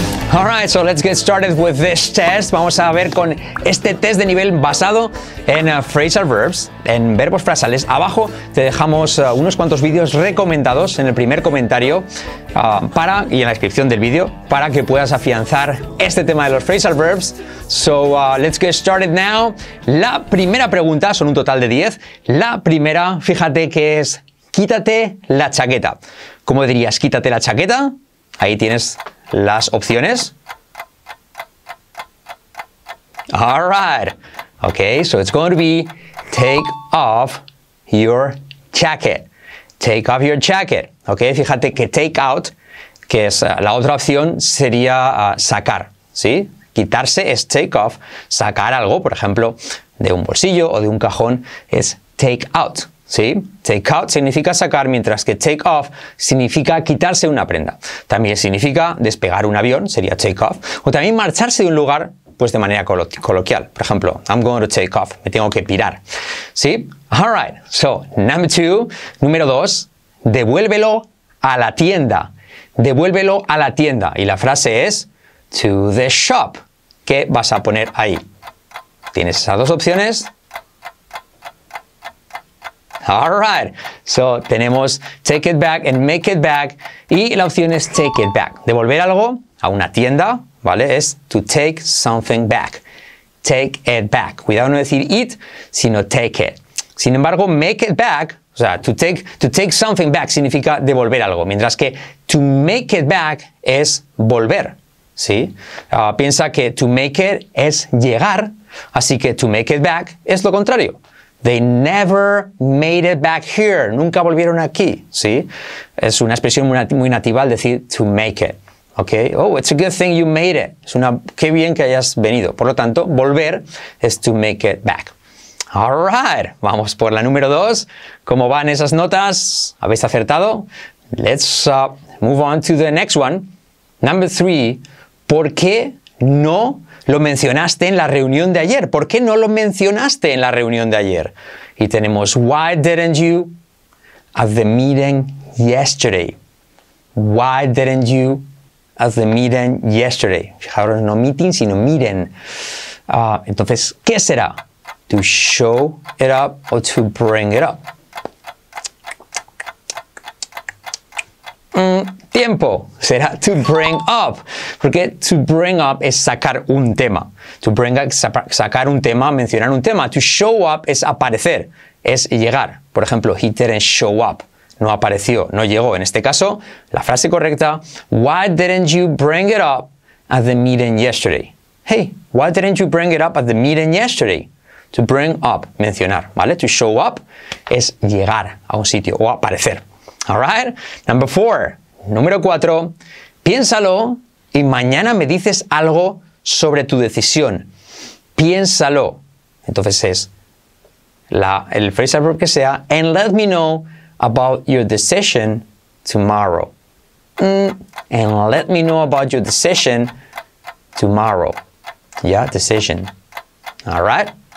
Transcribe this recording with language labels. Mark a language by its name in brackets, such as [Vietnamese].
[English] Alright, so let's get started with this test. [Spanish] Vamos a ver con este test de nivel basado en phrasal verbs, en verbos frasales. Abajo te dejamos unos cuantos vídeos recomendados en el primer comentario y en la descripción del vídeo para que puedas afianzar este tema de los phrasal verbs. [English] So let's get started now. [Spanish] La primera pregunta, son un total de 10. La primera, fíjate que es quítate la chaqueta. ¿Cómo dirías quítate la chaqueta? Ahí tienes las opciones. [English] All right. Okay, so it's going to be take off your jacket. Take off your jacket. [Spanish] Okay, fíjate que take out, que es la otra opción, sería sacar. ¿Sí? Quitarse es take off. Sacar algo, por ejemplo, de un bolsillo o de un cajón, es take out. ¿Sí? Take out significa sacar, mientras que take off significa quitarse una prenda. También significa despegar un avión, sería take off. O también marcharse de un lugar, pues de manera coloquial. Por ejemplo, [English] I'm going to take off. [Spanish] Me tengo que pirar. ¿Sí? [English] All right. So, number two. [Spanish] Número dos. Devuélvelo a la tienda. Devuélvelo a la tienda. Y la frase es [English] to the shop. [Spanish] ¿Qué vas a poner ahí? Tienes esas dos opciones. [English] All right, so [Spanish] tenemos [English] take it back and make it back, [Spanish] y la opción es [English] take it back. [Spanish] Devolver algo a una tienda, ¿vale? [English] Es to take something back. Take it back. [Spanish] Cuidado no decir [English] it, sino take it. [Spanish] Sin embargo, make it back, o sea, to take something back significa devolver algo, mientras que to make it back es volver, ¿sí? Piensa que to make it es llegar, así que to make it back es lo contrario. [English] They never made it back here. [Spanish] Nunca volvieron aquí, ¿sí? Es una expresión muy nativa al decir to make it, ¿ok? [English] Oh, it's a good thing you made it. [Spanish] Es una, qué bien que hayas venido. Por lo tanto, volver es to make it back. All right, vamos por la número dos. ¿Cómo van esas notas? ¿Habéis acertado? [English] Let's move on to the next one. Number three, [Spanish] ¿por qué no lo mencionaste en la reunión de ayer? ¿Por qué no lo mencionaste en la reunión de ayer? Y tenemos, [English] why didn't you at the meeting yesterday? Why didn't you at the meeting yesterday? [Spanish] Fijaros, no meeting, sino miren. Entonces, ¿qué será? [English] To show it up or to bring it up. [Spanish] Tiempo. Será to bring up. Porque to bring up es sacar un tema. To bring up, sacar un tema, mencionar un tema. To show up es aparecer, es llegar. Por ejemplo, [English] he didn't show up. [Spanish] No apareció, no llegó. En este caso, la frase correcta, [English] why didn't you bring it up at the meeting yesterday? Hey, why didn't you bring it up at the meeting yesterday? To bring up, mencionar, ¿vale? To show up [Spanish] es llegar a un sitio o aparecer. [English] All right? Number four. [Spanish] Número cuatro, piénsalo y mañana me dices algo sobre tu decisión. Piénsalo. Entonces es el phrasal verb que sea, [English] and let me know about your decision tomorrow. And let me know about your decision tomorrow. Yeah, decision. All right.